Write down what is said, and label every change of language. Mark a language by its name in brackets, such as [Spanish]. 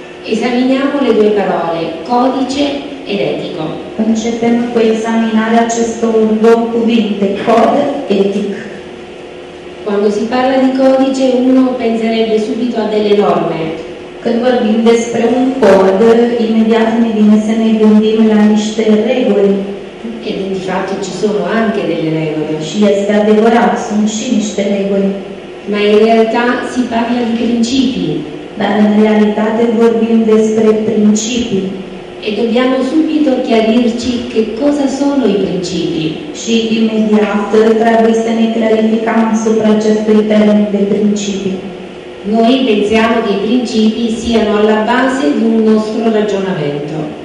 [Italian] Examiniamo le due parole, codice ed etico. [Romanian] Începem cu examinarea acestor două cuvinte, cod, etic. [Italian] Quando si parla di codice, uno penserebbe subito a delle norme. [Romanian] Când vorbim despre un cod, imediat ne vine să ne gândim la niște reguli. [Italian] E di fatto ci sono anche delle regole. [Romanian] Și este adevărat, sunt și niște reguli. [Italian] Ma in realtà si parla di principi. [Romanian] Dar în realitate vorbim despre principii. [Italian] E dobbiamo subito chiarirci che cosa sono i principi. [Romanian] Și imediat trebuie să ne clarificăm asupra acestui termen de principii. [Italian] Noi pensiamo che i principi siano alla base di un nostro ragionamento.